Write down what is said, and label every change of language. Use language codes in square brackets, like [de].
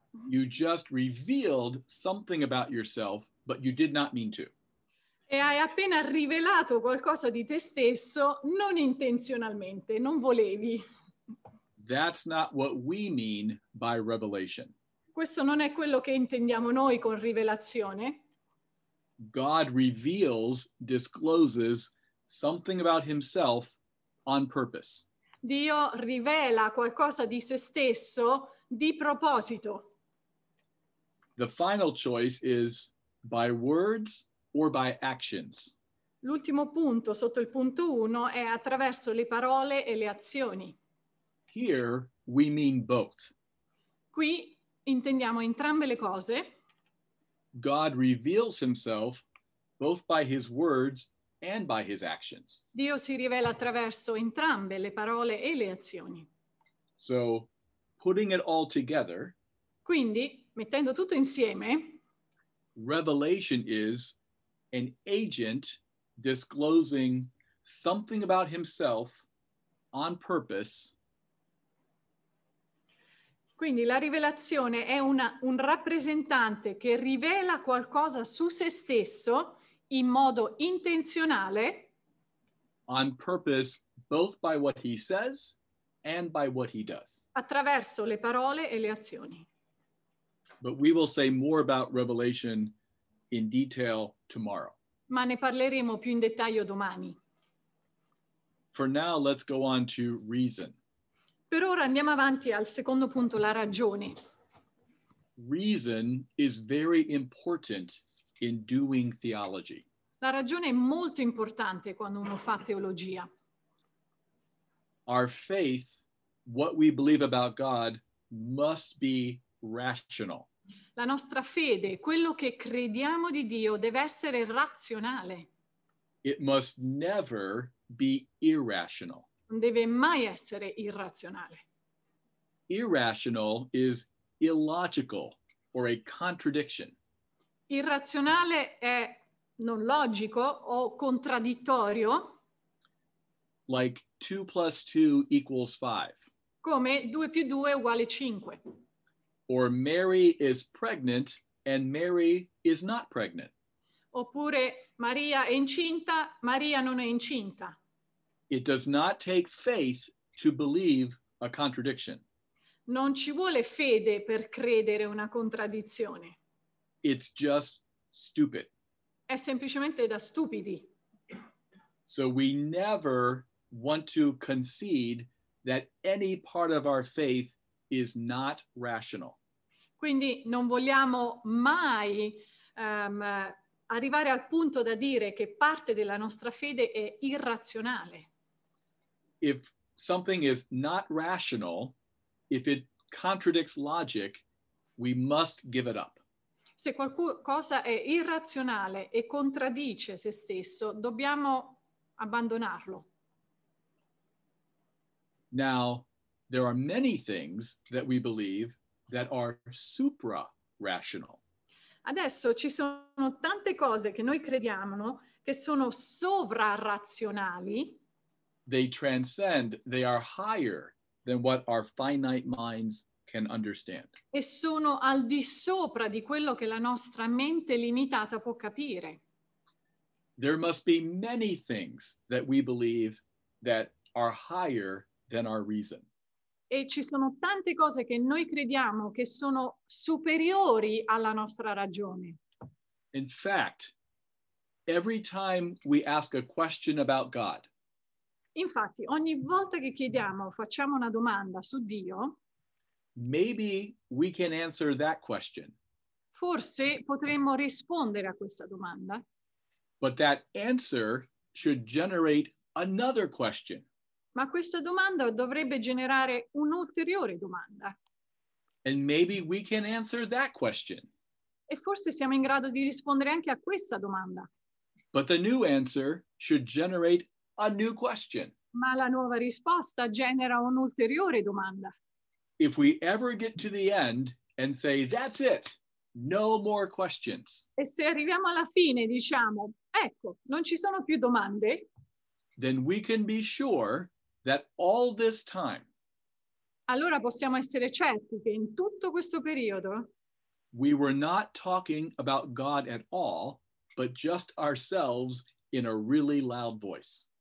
[en] You just revealed something about yourself, but you did not mean to. [it] E hai appena rivelato qualcosa di te stesso, non intenzionalmente, non volevi. [en] That's not what we mean by revelation. [it] Questo non è quello che intendiamo noi con rivelazione. [en] God reveals, discloses something about himself on purpose. [it] Dio rivela qualcosa di se stesso di proposito. [en] The final choice is by words or by actions. [it] L'ultimo punto sotto il punto 1 è attraverso le parole e le azioni. [en] Here we mean both. [it] Qui intendiamo entrambe le cose. [en] God reveals himself both by his words and by his actions. [it] Dio si rivela attraverso entrambe le parole e le azioni. [en] So, putting it all together, [it] quindi, mettendo tutto insieme, [en] Revelation is an agent disclosing something about himself on purpose. [it] Quindi la rivelazione è un rappresentante che rivela qualcosa su se stesso in modo intenzionale. [en] On purpose, both by what he says and by what he does. [it] Attraverso le parole e le azioni. [en] But we will say more about Revelation in detail tomorrow. [it] Ma ne parleremo più in dettaglio domani. [en] For now, let's go on to reason. [it] Per ora andiamo avanti al secondo punto, la ragione. [en] Reason is very important in doing theology. [it] La ragione è molto importante quando uno fa teologia. [en] Our faith, what we believe about God, must be rational. [it] La nostra fede, quello che crediamo di Dio, deve essere razionale. [en] It must never be irrational. [it] Non deve mai essere irrazionale. [en] Irrational is illogical or a contradiction. [it] Irrazionale è non logico o contraddittorio. [en] Like 2 plus 2 equals 5. [it] Come 2 più 2 uguale 5. [en] Or Mary is pregnant and Mary is not pregnant. [it] Oppure Maria è incinta, Maria non è incinta. [en] It does not take faith to believe a contradiction. [it] Non ci vuole fede per credere una contraddizione. [en] It's just stupid. [it] È semplicemente da stupidi. [en] So we never want to concede that any part of our faith is not rational. [it] Quindi non vogliamo mai arrivare al punto da dire che parte della nostra fede è irrazionale. [en] If something is not rational, if it contradicts logic, we must give it up. [it] Se qualcosa è irrazionale e contraddice se stesso, dobbiamo abbandonarlo. [en] Now, there are many things that we believe that are supra-rational. [it] Adesso ci sono tante cose che noi crediamo che sono sovrarrazionali. [en] They transcend, they are higher than what our finite minds can understand. [it] E sono al di sopra di quello che la nostra mente limitata può capire. [en] There must be many things that we believe that are higher than our reason. [it] E ci sono tante cose che noi crediamo che sono superiori alla nostra ragione. [en] In fact, every time we ask a question about God, [it] infatti, ogni volta che chiediamo, facciamo una domanda su Dio, [en] maybe we can answer that question. [it] Forse potremmo rispondere a questa domanda. [en] But that answer should generate another question. [it] Ma questa domanda dovrebbe generare un'ulteriore domanda. [en] And maybe we can answer that question. [it] E forse siamo in grado di rispondere anche a questa domanda. [en] But the new answer should generate a new question. [it] Ma la nuova risposta genera un'ulteriore domanda. [en] If we ever get to the end and say, that's it, no more questions. [it] E se arriviamo alla fine diciamo, ecco, non ci sono più domande. [en] Then we can be sure that all this time, [it] allora possiamo essere certi che in tutto questo periodo, [en] we were not talking about God at all, but just ourselves in a really loud voice.